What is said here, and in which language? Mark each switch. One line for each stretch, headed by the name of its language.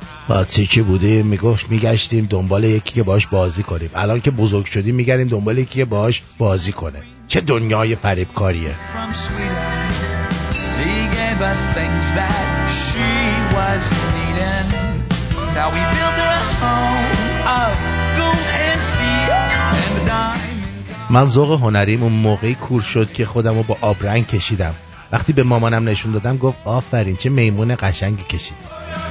Persian: بچه که بودیم میگفت میگشتیم دنبال یکی که باهاش بازی کنیم، الان که بزرگ شدیم میگردیم دنبال یکی که باهاش بازی کنه. چه دنیای فریبکاریه.
English: Now we build a home of gold and steel and diamond.
Persian: من ذوق هنریم اون موقعی کور شد که خودم رو با آبرنگ کشیدم. وقتی به مامانم نشون دادم گفت آفرین چه میمون قشنگی کشید.